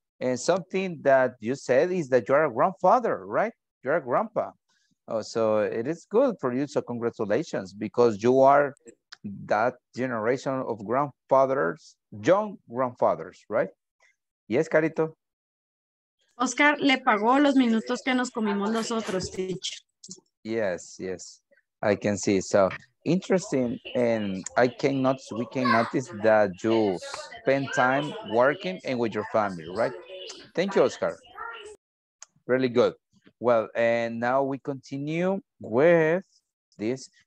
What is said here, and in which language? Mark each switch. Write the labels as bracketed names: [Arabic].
[English] And something that you said is that you are a grandfather, right? You are a grandpa. Oh, so it is good for you. So congratulations, because you are that generation of grandfathers, young grandfathers, right? Yes, Carito. [Spanish] Oscar le pagó los minutos que nos comimos nosotros, teacher. [English] Yes, I can see. So interesting, and we can notice that you spend time working and with your family, right? Thank you, Oscar. Really good. Well, and now we continue with this.